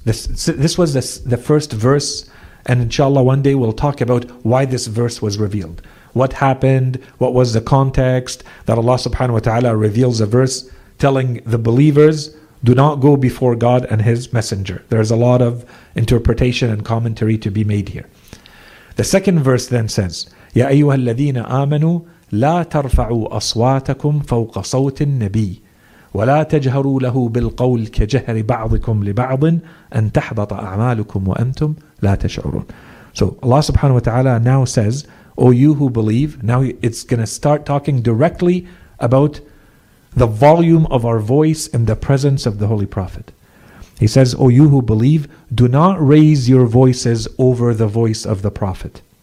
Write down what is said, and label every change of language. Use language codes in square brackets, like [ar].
[en] This was the first verse, and inshallah one day we'll talk about why this verse was revealed. What happened? What was the context that Allah subhanahu wa ta'ala reveals a verse telling the believers, do not go before God and His Messenger. There's a lot of interpretation and commentary to be made here. The second verse then says, [ar] يا أيها الذين آمنوا لا ترفعوا أصواتكم فوق صوت النبي ولا تجهروا له بالقول كجهر بعضكم لبعض أن تحبط أعمالكم وأنتم لا تشعرون. [en] So Allah subhanahu wa ta'ala now says, O you who believe, now it's going to start talking directly about the volume of our voice in the presence of the Holy Prophet. He says, O you who believe, do not raise your voices over the voice of the Prophet.